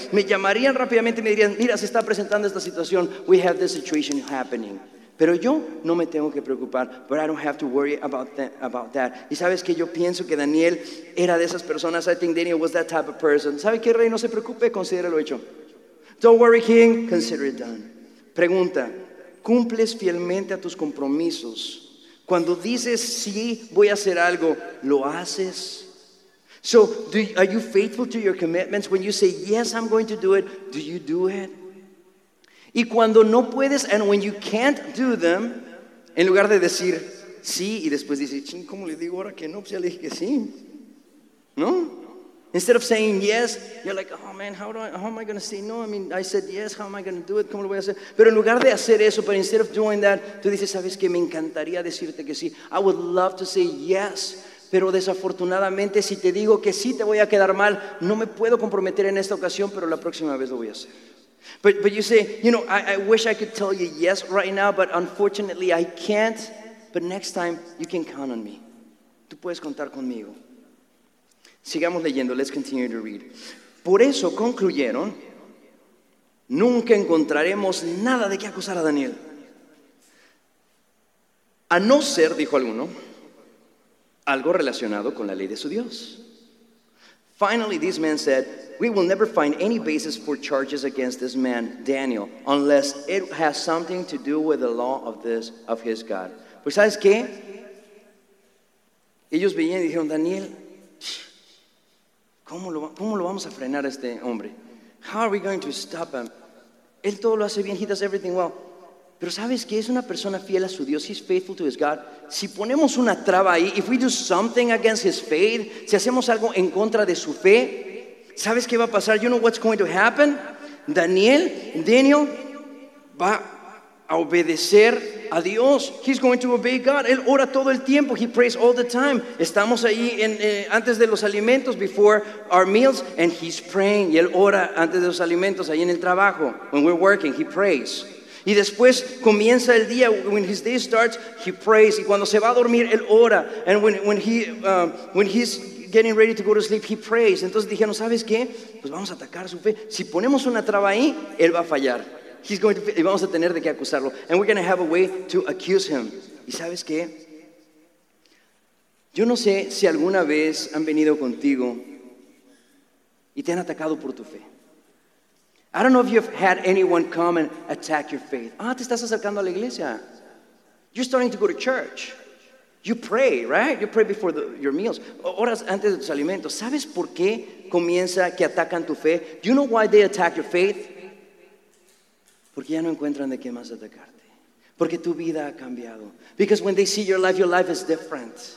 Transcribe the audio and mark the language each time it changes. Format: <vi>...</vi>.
<es>Me llamarían rápidamente y me dirían, mira, se está presentando esta situación.</es> <en>We have this situation happening.</en> <es>Pero yo no me tengo que preocupar,</es> <en>but I don't have to worry about that.</en> <es>Y sabes que yo pienso que Daniel era de esas personas.</es> <en>I think Daniel was that type of person.</en> <es>¿Sabe qué, rey? No se preocupe, considéralo hecho.</es> <en>Don't worry, king, consider it done.</en> <es>Pregunta, ¿cumples fielmente a tus compromisos? Cuando dices, sí, voy a hacer algo, ¿lo haces?</es> <en>So, are you faithful to your commitments? When you say, yes, I'm going to do it, do you do it?</en> <es>Y cuando no puedes,</es> <en>and when you can't do them,</en> <es>en lugar de decir sí, y después dices, ching, ¿cómo le digo ahora que no? Pues ya le dije que sí. ¿No?</es> <en>Instead of saying yes, you're like, oh man, how am I going to say no? I mean, I said yes, how am I going to do it?</en> <es>¿Cómo lo voy a hacer? Pero en lugar de hacer eso,</es> <en>but instead of doing that,</en> <es>tú dices, ¿sabes qué? Me encantaría decirte que sí.</es> <en>I would love to say yes.</en> <es>Pero desafortunadamente, si te digo que sí, te voy a quedar mal. No me puedo comprometer en esta ocasión, pero la próxima vez lo voy a hacer.</es> <en>But you say, you know, I wish I could tell you yes right now, but unfortunately I can't, but next time you can count on me.</en> <es>Tú puedes contar conmigo. Sigamos leyendo,</es> <en>let's continue to read.</en> <es>Por eso concluyeron, nunca encontraremos nada de qué acusar a Daniel. A no ser, dijo alguno, algo relacionado con la ley de su Dios.</es> <en>Finally, this man said, we will never find any basis for charges against this man, Daniel, unless it has something to do with the law of this of his God.</en> <es>Pues, ¿sabes qué? Ellos venían y dijeron, Daniel, ¿cómo lo vamos a frenar a este hombre?</es> <en>How are we going to stop him?</en> <es>Él todo lo hace bien,</es> <en>he does everything well.</en> <es>Pero, ¿sabes qué? Es una persona fiel a su Dios,</es> <en>he's faithful to his God.</en> <es>Si ponemos una traba ahí,</es> <en>if we do something against his faith,</en> <es>si hacemos algo en contra de su fe, ¿sabes qué va a pasar?</es> <en>You know what's going to happen?</en> <es>Daniel va a obedecer a Dios.</es> <en>He's going to obey God.</en> <es>Él ora todo el tiempo.</es> <en>He prays all the time.</en> <es>Estamos ahí antes de los alimentos,</es> <en>before our meals, and he's praying.</en> <es>Y él ora antes de los alimentos, ahí en el trabajo.</es> <en>When we're working, he prays.</en> <es>Y después comienza el día,</es> <en>when his day starts, he prays.</en> <es>Y cuando se va a dormir, él ora.</es> <en>And when he's getting ready to go to sleep, he prays.</en> <es>Entonces dijeron, ¿sabes qué? Pues vamos a atacar su fe. Si ponemos una traba ahí, él va a fallar.</es> <en>He's going to fail.</en> <es>Y vamos a tener de qué acusarlo.</es> <en>And we're going to have a way to accuse him.</en> <es>¿Y sabes qué? Yo no sé si alguna vez han venido contigo y te han atacado por tu fe.</es> <en>I don't know if you've had anyone come and attack your faith.</en> <es>Ah, te estás acercando a la iglesia.</es> <en>You're starting to go to church. You pray, right? You pray before your meals.</en> <es>Horas antes de tus alimentos. ¿Sabes por qué comienza que atacan tu fe?</es> <en>Do you know why they attack your faith?</en> <es>Porque ya no encuentran de qué más atacarte. Porque tu vida ha cambiado.</es> <en>Because when they see your life is different.</en>